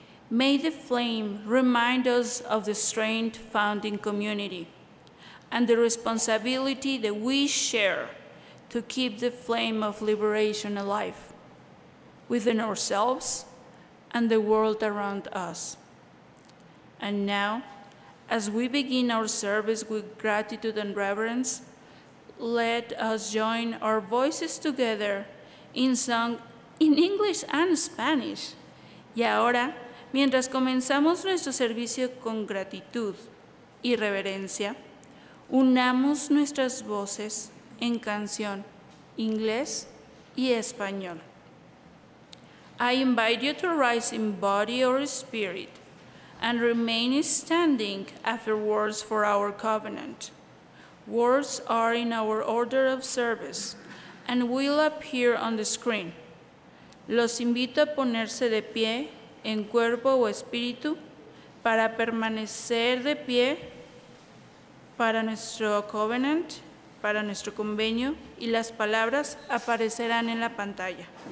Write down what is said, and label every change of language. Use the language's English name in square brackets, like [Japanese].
[English] May the flame remind us of the strength found in community and the responsibility that we share to keep the flame of liberation alive within ourselves and the world around us. And now, as we begin our service with gratitude and reverence, let us join our voices together in song in English and Spanish. [Spanish] Y ahora, mientras comenzamos nuestro servicio con gratitud y reverencia, unamos nuestras voces en canción inglés y español. [English] I invite you to rise in body or spirit and remain standing after words for our covenant. Words are in our order of service and will appear on the screen. [Spanish] Los invito a ponerse de pie en cuerpo o espíritu para permanecer de pie para nuestro covenant, para nuestro convenio, y las palabras aparecerán en la pantalla.